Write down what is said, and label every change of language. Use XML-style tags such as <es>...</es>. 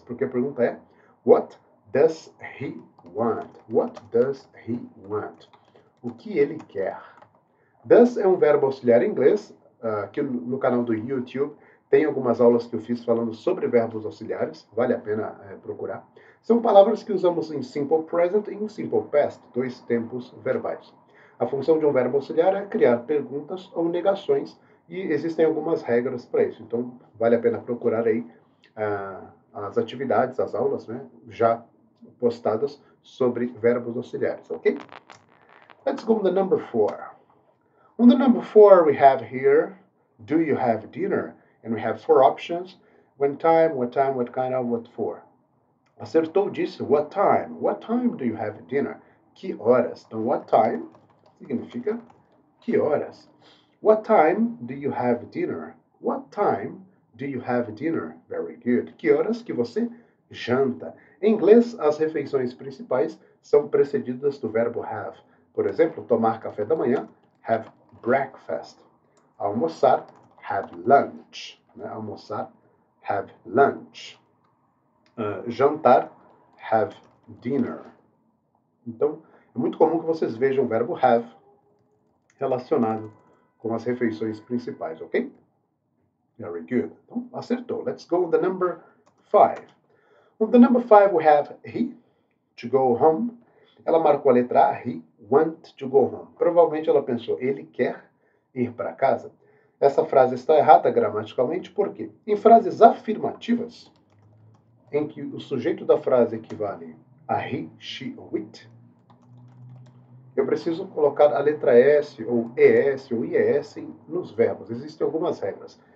<pt>Porque a pergunta é,</pt> <en>what does he want? What does he want?</en> <pt>O que ele quer? Does é um verbo auxiliar em inglês, que no canal do YouTube tem algumas aulas que eu fiz falando sobre verbos auxiliares, vale a pena procurar. São palavras que usamos em simple present e em simple past, dois tempos verbais. A função de um verbo auxiliar é criar perguntas ou negações, e existem algumas regras para isso, então vale a pena procurar aí as atividades, as aulas, né, já postadas sobre verbos auxiliares, ok?</pt> <en>Let's go to the number 4. On the number 4, we have here, do you have dinner? And we have 4 options. When time, what time, what kind of, what for?</en> <pt>Acertou, disse,</pt> <en>what time? What time do you have dinner?</en> <pt>Que horas? Então, what time significa que horas?</pt> <en>What time do you have dinner? What time do you have dinner? Very good.</en> <pt>Que horas que você janta? Em inglês, as refeições principais são precedidas do verbo have. Por exemplo, tomar café da manhã,</pt> <en>have breakfast.</en> <pt>Almoçar,</pt> <en>have lunch.</en> <pt>Né? Almoçar, have lunch. Jantar,</pt> <en>have dinner.</en> <pt>Então, é muito comum que vocês vejam o verbo have relacionado com as refeições principais, ok?</pt> <en>Very good.</en> <pt>Então, acertou.</pt> <en>Let's go to the number 5. On the number 5, we have he to go home.</en> <pt>Ela marcou a letra A,</pt> <en>he want to go home.</en> <pt>Provavelmente ela pensou, ele quer ir para casa. Essa frase está errada gramaticalmente, por quê? Em frases afirmativas, em que o sujeito da frase equivale a he, she ou it, eu preciso colocar a letra S ou ES ou IES nos verbos. Existem algumas regras.</pt>